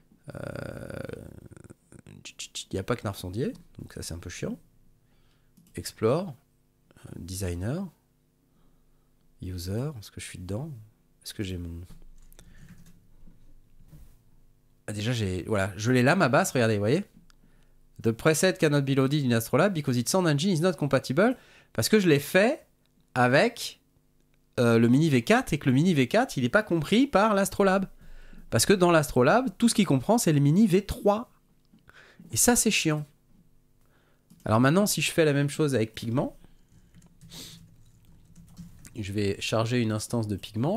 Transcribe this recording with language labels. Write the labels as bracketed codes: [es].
[fr] Il n'y a pas Knarf Sondier, donc ça c'est un peu chiant. Explore, designer, user, est-ce que je suis dedans? Est-ce que j'ai mon... Ah, déjà j'ai... Voilà, je l'ai là ma basse, regardez, vous voyez? [en] The preset cannot be loaded in Astrolab because its sound engine is not compatible. [fr] Parce que je l'ai fait avec le mini V4 et que le mini V4 il n'est pas compris par l'Astrolab. Parce que dans l'Astrolab, tout ce qu'il comprend c'est le mini V3. Et ça, c'est chiant. Alors maintenant, si je fais la même chose avec Pigment, je vais charger une instance de Pigment.